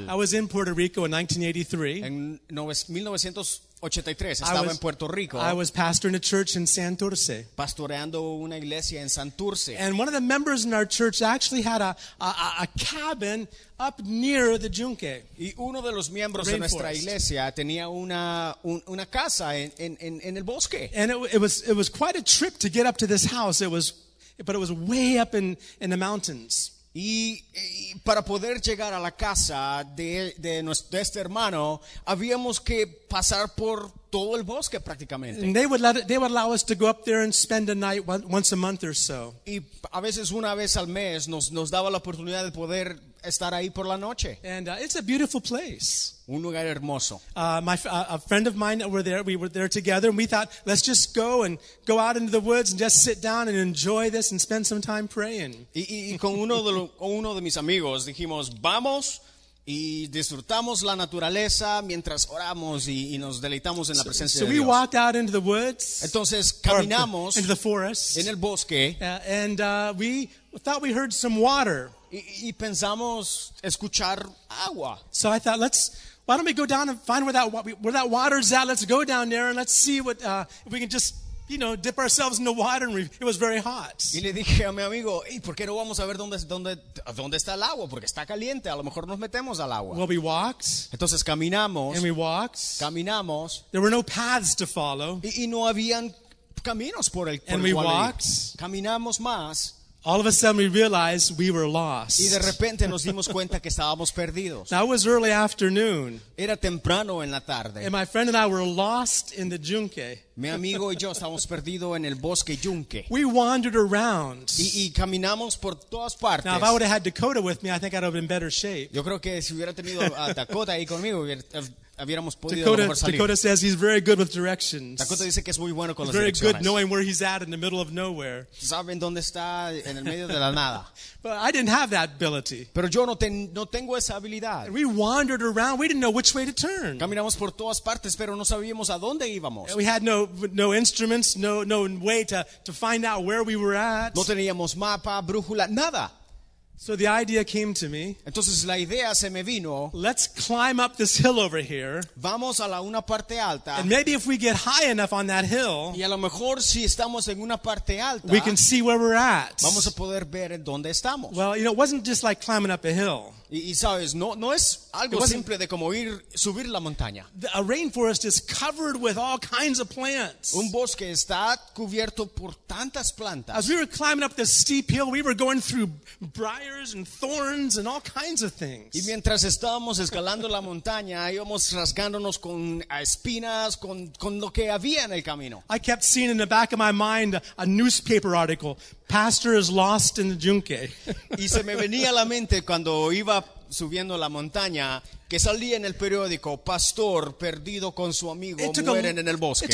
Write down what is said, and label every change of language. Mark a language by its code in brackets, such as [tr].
[en] Rico. I was in Puerto Rico in 1983. [es] En 1983 estaba en Puerto Rico. [en] I was pastoring a church in Santurce. [es] Pastoreando una iglesia en Santurce. [en] And one of the members in our church actually had a cabin up near the yunque. [es] Y uno de los miembros de nuestra iglesia tenía una casa en el bosque. [en] And it was quite a trip to get up to this house. It was way up in the mountains. [es] Y para poder llegar a la casa de este hermano, habíamos que pasar por todo el bosque prácticamente. [en] And they would allow us to go up there and spend a night once a month or so. [es] Y a veces una vez al mes nos daba la oportunidad de poder estar ahí por la noche. [en] And it's a beautiful place. [es] Un lugar hermoso. [en] A friend of mine that were there, we were there together, and we thought, let's just go out into the woods and just sit down and enjoy this and spend some time praying. [es] Y con uno de mis amigos dijimos, vamos. Y disfrutamos la naturaleza mientras oramos y nos deleitamos en la presencia de Dios. [en] So we walked out into the woods. [es] Entonces caminamos [en] into the forest, [es] en el bosque. [en] And we thought we heard some water. [es] Y pensamos escuchar agua. [en] So I thought, why don't we go down and find where that water's at? Let's go down there and let's see what if we can just, you know, dip ourselves in the water. And it was very hot. [es] Y le dije a mi amigo, hey, ¿por qué no vamos a ver dónde está el agua? Porque está caliente. A lo mejor nos metemos al agua. [en] Well, we walked. [es] Entonces caminamos. [en] And we walked. [es] Caminamos. [en] There were no paths to follow. [es] Y no habían caminos por el cual. [en] And we walked. [es] Caminamos más. [en] All of a sudden, we realized we were lost. [es] Y de repente nos dimos cuenta que estábamos perdidos. [en] Now it was early afternoon. [es] Era temprano en la tarde. [en] And my friend and I were lost in the yunque. [es] Mi amigo y yo estábamos perdidos en el bosque yunque. [en] We wandered around. [es] Y caminamos por todas partes. [en] Now, if I would have had Dakota with me, I think I'd have been in better shape. [es] Yo creo que si hubiera tenido a Dakota ahí conmigo, habíamos podido Dakota, mejor salir. [en] Dakota says he's very good with directions. [es] Dakota dice que es muy bueno con [en] he's very [es] direcciones. [en] Good knowing where he's at in the middle of nowhere. [es] Saben dónde está en el medio de la nada. [en] But I didn't have that ability. [es] Pero yo no tengo esa habilidad. [en] We wandered around. We didn't know which way to turn. [es] Caminamos por todas partes, pero no sabíamos a dónde íbamos. [en] And we had no instruments, no way to find out where we were at. [es] No teníamos mapa, brújula, nada. [en] So the idea came to me. [es] Entonces la idea se me vino. [en] Let's climb up this hill over here. [es] Vamos a una parte alta. [en] And maybe if we get high enough on that hill, [es] y a lo mejor si estamos en una parte alta, [en] we can see where we're at. [es] Vamos a poder ver dónde estamos. [en] Well, you know, it wasn't just like climbing up a hill. [es] Y sabes, no es algo simple de como ir subir la montaña. [en] A rainforest is covered with all kinds of plants. [es] Un bosque está cubierto por tantas plantas. [en] As we were climbing up this steep hill, we were going through briars and thorns and all kinds of things. [es] Y mientras estábamos escalando la montaña, íbamos rasgándonos con espinas, con lo que había en el camino. [en] I kept seeing in the back of my mind a newspaper article. Pastor is lost in the yunque. [es] Y se me venía a la mente cuando iba subiendo la montaña que salía en el periódico pastor perdido con su amigo mueren en el bosque.